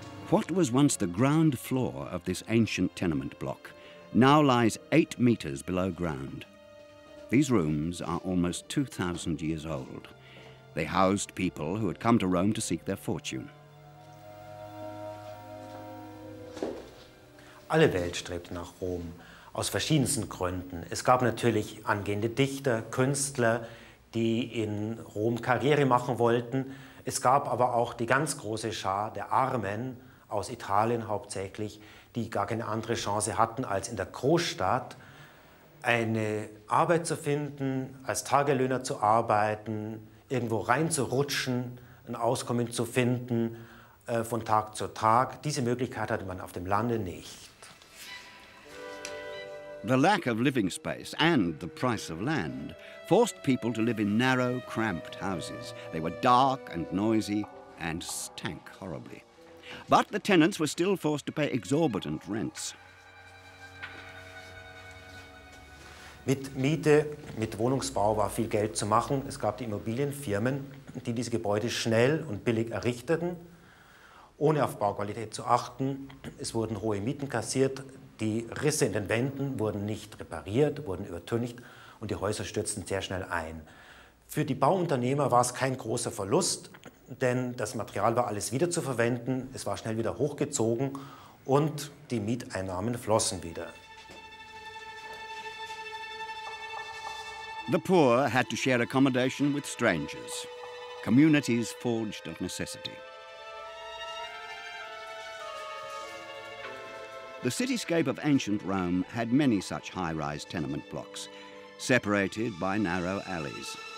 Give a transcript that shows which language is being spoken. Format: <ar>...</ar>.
<en>What was once the ground floor of this ancient tenement block now lies 8 meters below ground. These rooms are almost 2,000 years old. They housed people who had come to Rome to seek their fortune.</en> <de>Alle Welt strebte nach Rom, aus verschiedensten Gründen. Es gab natürlich angehende Dichter, Künstler, die in Rom Karriere machen wollten. Es gab aber auch die ganz große Schar der Armen, aus Italien hauptsächlich, die gar keine andere Chance hatten, als in der Großstadt eine Arbeit zu finden, als Tagelöhner zu arbeiten, irgendwo reinzurutschen, ein Auskommen zu finden, von Tag zu Tag. Diese Möglichkeit hatte man auf dem Lande nicht.</de> <en>The lack of living space and the price of land forced people to live in narrow, cramped houses. They were dark and noisy and stank horribly. But the tenants were still forced to pay exorbitant rents.</en> <de>Mit Miete, mit Wohnungsbau war viel Geld zu machen. Es gab die Immobilienfirmen, die diese Gebäude schnell und billig errichteten, ohne auf Bauqualität zu achten. Es wurden hohe Mieten kassiert, die Risse in den Wänden wurden nicht repariert, wurden übertüncht und die Häuser stürzten sehr schnell ein. Für die Bauunternehmer war es kein großer Verlust, denn das Material war alles wiederzuverwenden, es war schnell wieder hochgezogen und die Mieteinnahmen flossen wieder.</de> <en>The poor had to share accommodation with strangers. Communities forged of necessity. The cityscape of ancient Rome had many such high-rise tenement blocks, separated by narrow alleys.</en>